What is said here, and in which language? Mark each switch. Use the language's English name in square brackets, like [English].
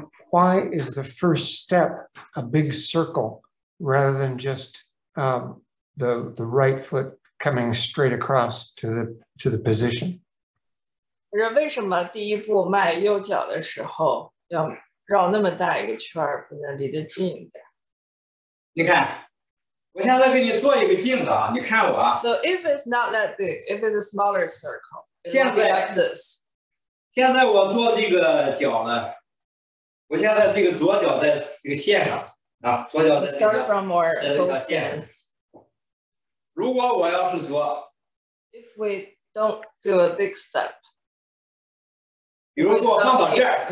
[English] 、why is the first step a big circle? Rather than just、the right foot coming straight across to the position. [Chinese] 为什么第一步迈右脚的时候要绕那么大一个圈不能离得近一点？你看，我现在给你做一个镜子啊，你看我啊。 [English] So if it's not that big, if it's a smaller circle, it'll be like this. [Chinese] 现在我做这个脚呢，我现在这个左脚在这个线上啊，左脚在这个 [English] start from our [Chinese] 在这个线上。如果我要是说 [English] ，if we don't do a big step， [Chinese] 比如说我放到这儿